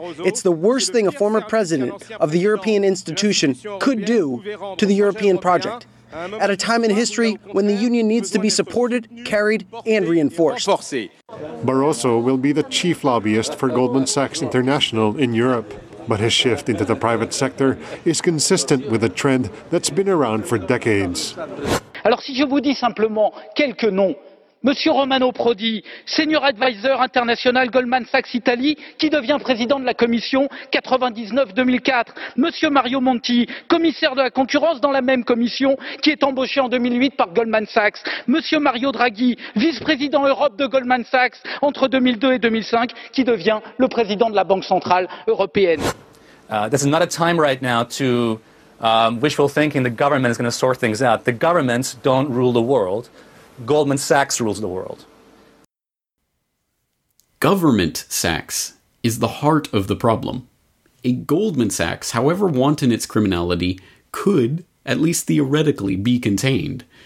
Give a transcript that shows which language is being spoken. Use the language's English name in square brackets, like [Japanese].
[English] It's the worst thing a former president of the European institution could do to the European project, at a time in history when the union needs to be supported, carried, and reinforced. Barroso will be the chief lobbyist for Goldman Sachs International in Europe, but his shift into the private sector is consistent with a trend that's been around for decades. [French] Alors si je vous dis simplement quelques noms, Monsieur Romano Prodi, senior advisor international Goldman Sachs Italie, qui devient président de la commission 99-2004. Monsieur Mario Monti, commissaire de la concurrence dans la même commission, qui est embauché en 2008 par Goldman Sachs. Monsieur Mario Draghi, vice-président Europe de Goldman Sachs entre 2002 et 2005, qui devient le président de la Banque Centrale Européenne. [English] This is not a time right now to wishful thinking the government is going to sort things out. The governments don't rule the world. Goldman Sachs rules the world. Government Sachs is the heart of the problem. A Goldman Sachs, however wanton its criminality, could, at least theoretically, be contained.